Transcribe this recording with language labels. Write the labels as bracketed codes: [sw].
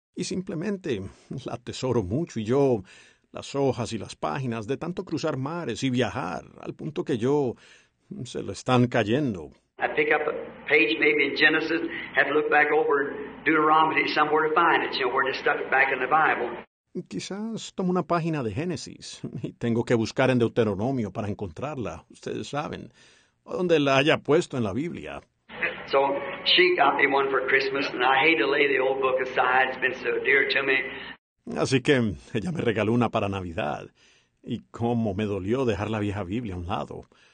[es] Y simplemente la atesoro mucho, y yo las hojas y las páginas de tanto cruzar mares y viajar, al punto que yo se lo están cayendo. [en] I pick up a page maybe in Genesis, have to look back over Deuteronomy somewhere to find it, you know, where they stuck it back in the Bible. [es] Quizás tomo una página de Génesis y tengo que buscar en Deuteronomio para encontrarla, ustedes saben, o donde la haya puesto en la Biblia. [en] So she got me one for Christmas, and I hate to lay the old book aside. It's been so dear to me. [es] Así que ella me regaló una para Navidad. Y cómo me dolió dejar la vieja Biblia a un lado.